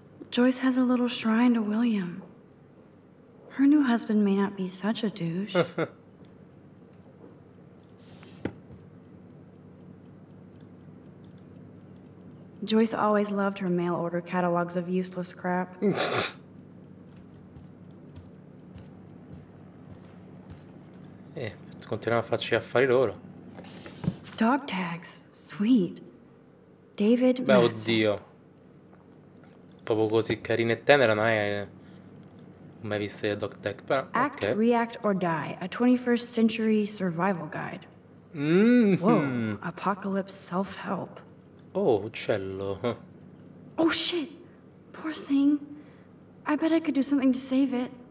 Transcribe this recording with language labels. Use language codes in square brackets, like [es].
[en] Joyce has a little shrine to William. Her new husband may not be such a douche. Joyce always loved her mail order catalogs of useless crap. [it] Continuiamo a farci affari loro. [en] Dog tags, sweet. David. [it] Beh, oddio. Proprio così carina e tenera, non è. Mai visto i dog tag, però. Okay. [en] Act, react or die, a 21st century survival guide. Mm-hmm. Whoa, apocalypse self-help. [it] Oh, uccello. [en] Oh shit, poor thing. I bet I could do something to save it.